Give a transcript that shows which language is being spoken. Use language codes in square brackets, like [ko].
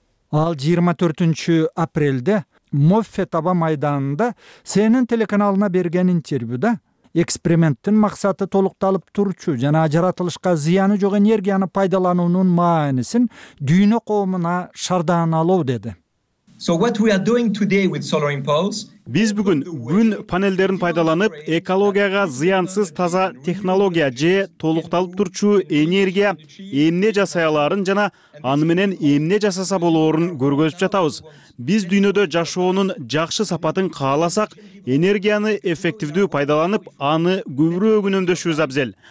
[ky] Ал 24 апрелде Моффет аба майданында CNN телеканалына берген интервьюда эксперименттин максаты толукталып турчу жана жаратылышка зыяны жок энергияны пайдаланууну маанисин дүйнө коомуна шарданалоо деди. [en] So what we are doing today with Solar Impulse? [ky] Биз бүгүн күн панелдерин пайдаланып, экологияга зыянсыз таза технология же толукталып турчу энергия эмне жасай аларын жана аны менен эмне жасаса болоорун көргөзүп жатабыз. Биз дүйнөдө жашоонун жакшы сапатын кааласак, энергияны эффективдүү пайдаланып, аны көбүрөөк үнөмдөшүбүз абзел.